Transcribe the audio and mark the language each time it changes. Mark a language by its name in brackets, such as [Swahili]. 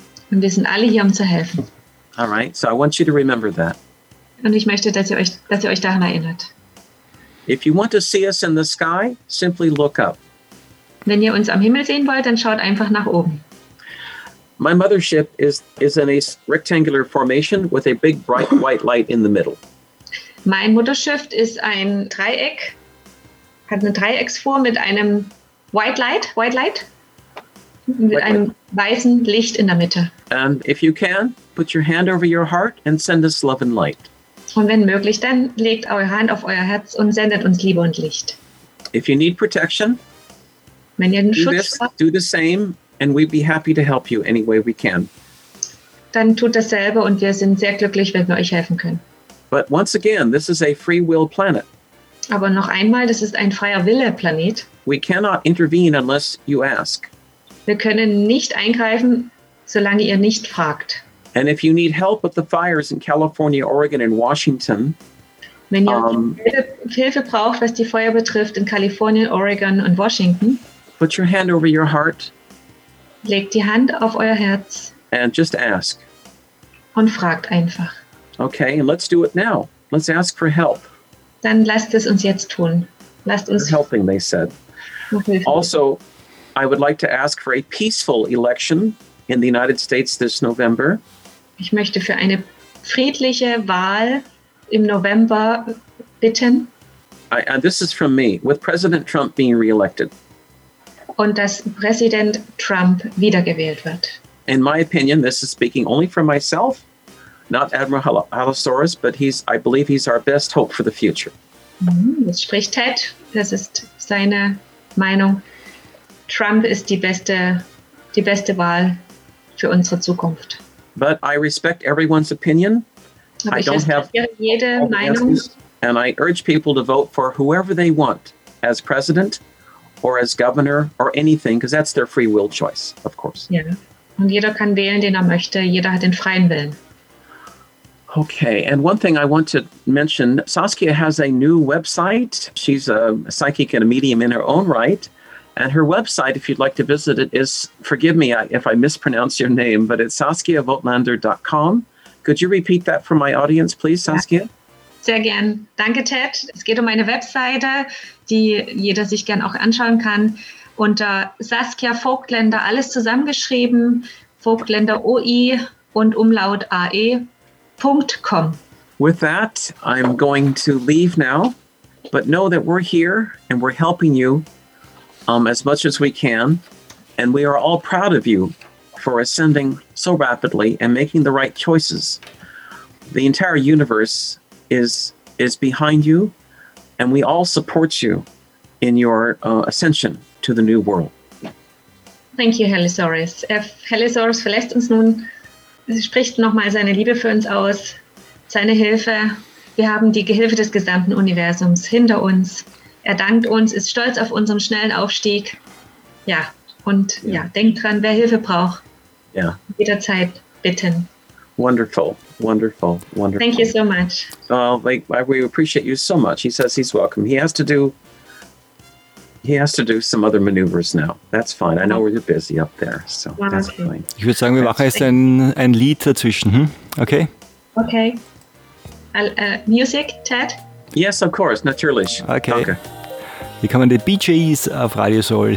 [German] Und wir sind alle hier, um zu helfen. [English] All right. So I want you to remember that. [German] Und ich möchte, dass ihr euch daran erinnert. [English] If you want to see us in the sky, simply look up. [German] Wenn ihr uns am Himmel sehen wollt, dann schaut einfach nach oben. [English] My mothership is in a rectangular formation with a big bright white light in the middle. [German] Mein Mutterschiff ist ein Dreieck. Hat eine Dreiecksform mit einem [English] White Light, [German] mit einem weißen Licht in der Mitte. [English] And if you can, put your hand over your heart and send us love and light. [German] Und wenn möglich, dann legt eure Hand auf euer Herz und sendet uns Liebe und Licht. [English] If you need protection, [German] wenn ihr einen [English] do [German] Schutz [English] this, [German] braucht, [English] do the same, and we'd be happy to help you any way we can. [German] Dann tut dasselbe und wir sind sehr glücklich, wenn wir euch helfen können. [English] But once again, this is a free will planet. [German] Aber noch einmal, das ist ein freier Wille-Planet. [English] We cannot intervene unless you ask. [German] Wir können nicht eingreifen, solange ihr nicht fragt. [English] And if you need help with the fires in California, Oregon and Washington, [German] wenn ihr Hilfe braucht, was die Feuer betrifft in Kalifornien, Oregon und Washington, [English] put your hand over your heart. [German] Legt die Hand auf euer Herz. [English] And just ask. [German] Und fragt einfach. [English] Okay, and let's do it now. Let's ask for help. [German] Dann lasst es uns jetzt tun. Lasst uns [English] helping, they said. Also, I would like to ask for a peaceful election in the United States this November. [German] Ich möchte für eine friedliche Wahl im November bitten. [English] And this is from me, with President Trump being reelected. [German] Und dass Präsident Trump wiedergewählt wird. [English] In my opinion, this is speaking only for myself. Not Admiral Halosaurus, but I believe he's our best hope for the future. [German] Das spricht Ted. Das ist seine Meinung. Trump ist die beste Wahl für unsere Zukunft. [English] But I respect everyone's opinion. [German] Aber ich respektiere jede Meinung. [English] And I urge people to vote for whoever they want as president or as governor or anything, because that's their free will choice, of course. [German] Ja. Und jeder kann wählen, den er möchte. Jeder hat den freien Willen. [English] Okay, and one thing I want to mention, Saskia has a new website. She's a psychic and a medium in her own right. And her website, if you'd like to visit it, is, forgive me if I mispronounce your name, but it's saskiavoltlander.com. Could you repeat that for my audience, please, Saskia? [German] Sehr gern. Danke, Ted. Es geht um meine Webseite, die jeder sich gern auch anschauen kann. Unter Saskia Vogtländer, alles zusammengeschrieben, Vogtländer OI und Umlaut AE. .com. [English] With that, I'm going to leave now, but know that we're here and we're helping you as much as we can, and we are all proud of you for ascending so rapidly and making the right choices. The entire universe is behind you, and we all support you in your ascension to the new world. Thank you, Hellesaurus. [German] Hellesaurus verlässt uns nun, spricht nochmal seine Liebe für uns aus, seine Hilfe. Wir haben die Hilfe des gesamten Universums hinter uns. Er dankt uns, ist stolz auf unseren schnellen Aufstieg. Ja, und ja, denkt dran, wer Hilfe braucht, jederzeit bitten. [English] Wonderful, wonderful, wonderful. Thank you so much. We appreciate you so much. He says he's welcome. He has to do some other maneuvers now. That's fine. I know we're busy up there, so that's fine. [German] Ich würde sagen, wir machen jetzt ein Lied dazwischen. Hm? Okay? [English] Okay. Music, Ted? Yes, of course, [German] natürlich. Okay. Danke. Wir kommen den Bee Gees auf Radio Soul.